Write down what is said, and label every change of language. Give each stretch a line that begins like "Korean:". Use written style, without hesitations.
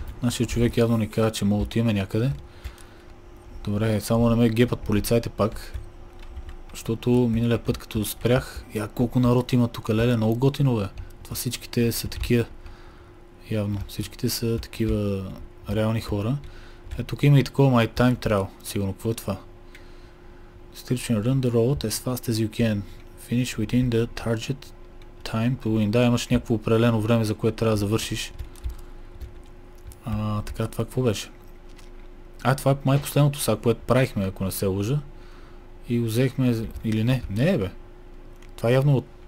Bulgarian: Нашия човек явно ни казва, че мога да отиме някъде. Добре, само не ме гепат полицаите пак. Защото миналия път като спрях, я колко народ има тук, леле, много готино бе. Това всичките са такива, явно, всичките са такива реални хора. Е, тук има и такова
English: my time trial,
Bulgarian: сигурно, какво е това?
English: Stitching run the road as fast as you can. Finish within the target time to win.
Bulgarian: Да, имаш някакво определено време, за което трябва да завършиш. А, така, това какво беше? А, това е май последното сак, което правихме, ако не се лъжа. И го взехме, или не? Не е, бе. Това е явно от...